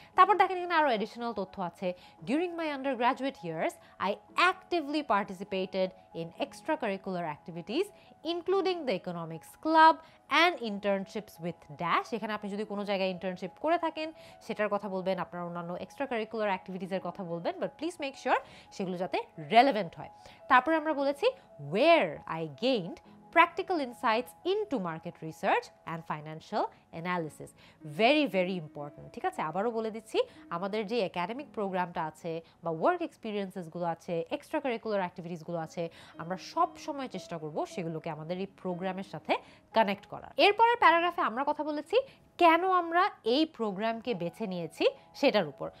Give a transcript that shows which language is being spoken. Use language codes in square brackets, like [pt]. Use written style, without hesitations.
[bn] তারপর দেখেন এখানে আরও অ্যাডিশনাল তথ্য আছে, [en] During my undergraduate years I actively participated in extracurricular activities including the economics club and internships with dash. [bn] এখানে আপনি যদি কোনো জায়গায় ইন্টার্নশিপ করে থাকেন সেটার কথা বলবেন, আপনার অন্যান্য এক্সট্রা কারিকুলার অ্যাক্টিভিটিসের কথা বলবেন, বাট প্লিজ মেক শিওর সেগুলো যাতে রেলেভেন্ট হয়। তারপরে আমরা বলেছি [en] Where I gained practical insights into market research and financial analysis, very very important. [bn] ঠিক আছে, আবারও বলে দিচ্ছি, আমাদের যে একাডেমিক প্রোগ্রামটা আছে বা ওয়ার্ক এক্সপিরিয়েন্সেসগুলো আছে, এক্সট্রা কারিকুলার অ্যাক্টিভিটিসগুলো আছে, আমরা সব সময় চেষ্টা করব সেগুলোকে আমাদের এই প্রোগ্রামের সাথে কানেক্ট করার। এরপরের প্যারাগ্রাফে আমরা কথা বলেছি কেন আমরা এই প্রোগ্রামকে বেছে নিয়েছি সেটার উপর।